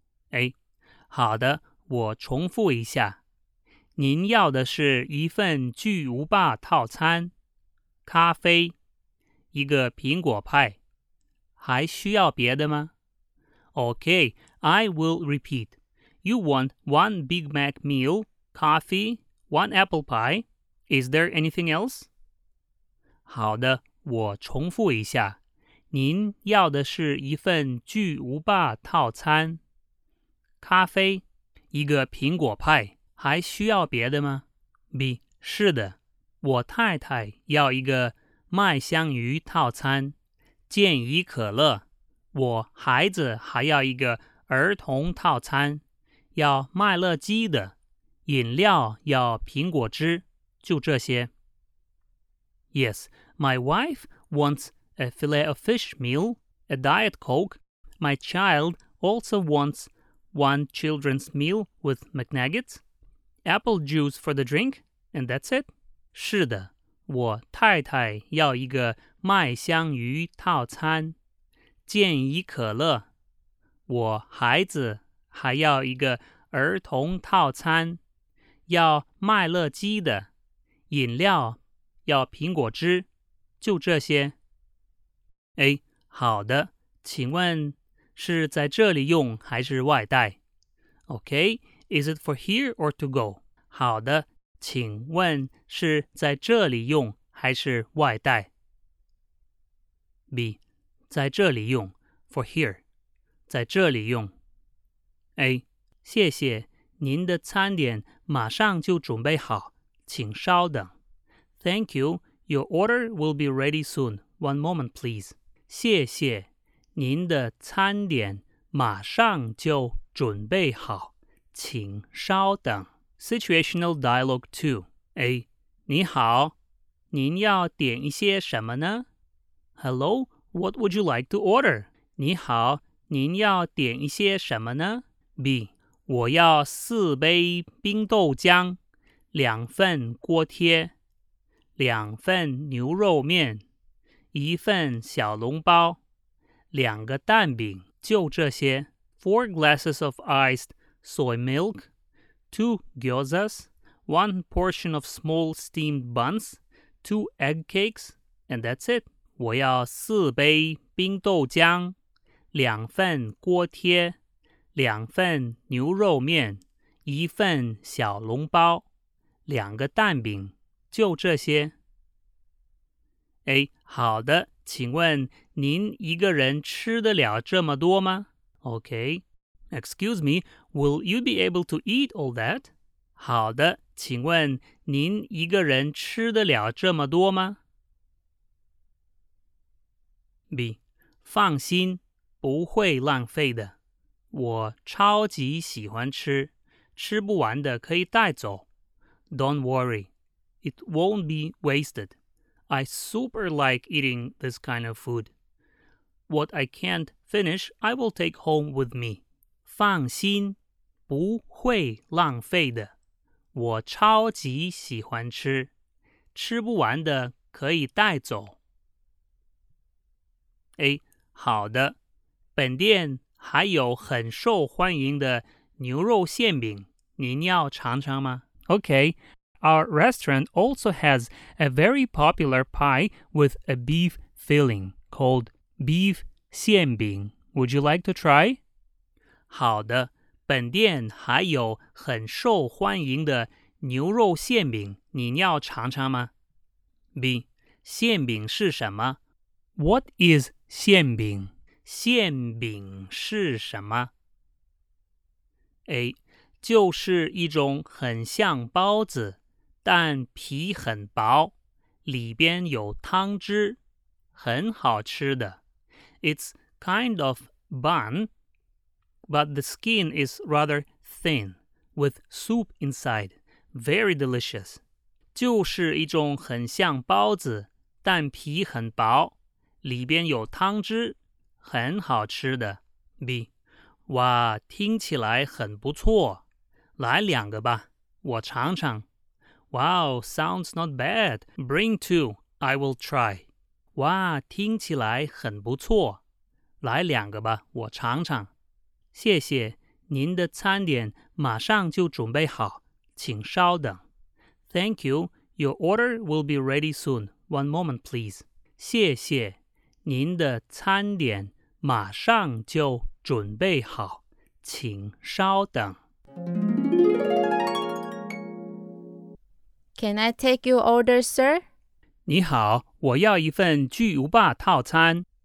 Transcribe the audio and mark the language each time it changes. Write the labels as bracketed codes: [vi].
[zh] A. 好的，我重复一下。您要的是一份巨无霸套餐，咖啡，一个苹果派，还需要别的吗？ [en] Okay, I will repeat. You want one Big Mac meal, coffee, one apple pie. Is there anything else? [zh] 好的，我重复一下。您要的是一份巨无霸套餐，咖啡，一个苹果派，还需要别的吗？ B. 是的，我太太要一个麦香鱼套餐，健怡可乐，我孩子还要一个儿童套餐，要麦乐鸡的，饮料要苹果汁，就这些。 [en] Yes, my wife wants... A filet of fish meal, a diet coke. My child also wants one children's meal with McNuggets, apple juice for the drink, And that's it. [zh] 是的，我太太要一个麦香鱼套餐，健怡可乐。我孩子还要一个儿童套餐，要麦乐鸡的，饮料要苹果汁，就这些。哎，好的，请问是在这里用还是外带？ [en] Okay, is it for here or to go? [zh] 好的，请问是在这里用还是外带？ B, 在这里用 , [en] for here, [zh] 在这里用。 A, 谢谢，您的餐点马上就准备好，请稍等。 [en] Thank you, your order will be ready soon, one moment please. [zh] 谢谢。您的餐点马上就准备好，请稍等。 [en] Situational Dialogue 2 A. [zh] 你好，您要点一些什么呢？ [en] Hello, what would you like to order? [zh] 你好，您要点一些什么呢？ B. 我要四杯冰豆浆，两份锅贴，两份牛肉面，一份小笼包，两个蛋饼，就这些。 [en] 4 glasses of iced soy milk, 2 gyozas, 1 portion of small steamed buns, 2 egg cakes, and that's it. [zh] 我要四杯冰豆浆，两份锅贴，两份牛肉面，一份小笼包，两个蛋饼，就这些。哎，好的，请问您一个人吃得了这么多吗？ [en] Okay. Excuse me, will you be able to eat all that? [zh] 好的，请问您一个人吃得了这么多吗？ B. 放心，不会浪费的。我超级喜欢吃，吃不完的可以带走。 [en] Don't worry, it won't be wasted. I super like eating this kind of food. What I can't finish, I will take home with me. [zh] 放心，不会浪费的。我超级喜欢吃，吃不完的可以带走。 A, 好的，本店还有很受欢迎的牛肉馅饼，您要尝尝吗？ [en] Okay, our restaurant also has a very popular pie with a beef filling called beef 馅饼, would you like to try? [zh] 好的，本店还有很受欢迎的牛肉馅饼，您要尝尝吗？ B. 馅饼是什么？ [en] What is 馅饼？ [zh] 馅饼是什么？ A. 就是一种很像包子，但皮很薄，里边有汤汁，很好吃的。 [en] It's kind of bun, but the skin is rather thin, with soup inside. Very delicious. [zh] 就是一种很像包子，但皮很薄，里边有汤汁，很好吃的。 B. 哇，听起来很不错。来两个吧，我尝尝。 [en] Wow, sounds not bad. Bring two, I will try. [zh] 哇，听起来很不错。来两个吧，我尝尝。谢谢，您的餐点马上就准备好，请稍等。 [en] Thank you, your order will be ready soon. One moment, please. [zh] 谢谢，您的餐点马上就准备好，请稍等。 [en] Can I take your order, sir? [zh] 你好，我要一份巨无霸套餐。